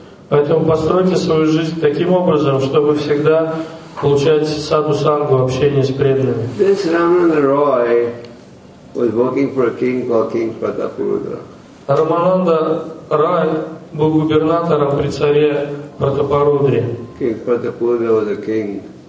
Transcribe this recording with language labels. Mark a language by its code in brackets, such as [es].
[ru] Поэтому постройте свою жизнь таким образом, чтобы всегда получать саду-сангу, общение с преданными. [en] This Ramananda Roy was working for a king called King Prataparudra. [ru] Рамананда Рай был губернатором при царе Пратапарудре. [en] King Pratapurudra was a king.